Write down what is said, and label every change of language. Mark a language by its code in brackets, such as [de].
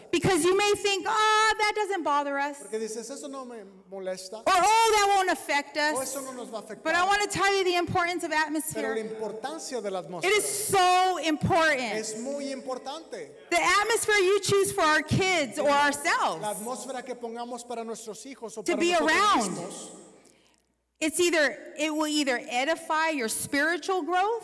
[en] because you may think, oh, that doesn't bother us, [es] porque dices, eso no me molesta, [en] or oh, that won't affect us, [es] o eso no nos va a afectar. [en] But I want to tell you the importance of atmosphere. [es] Pero la importancia de la atmósfera. [en] It is so important. [es] Es muy importante. [en] The atmosphere you choose for our kids or ourselves, [es] la atmósfera que pongamos para nuestros hijos o [en] to [es] para [en] be [es] nosotros [en] around [es] mismos. [en] It's either it will either edify your spiritual growth,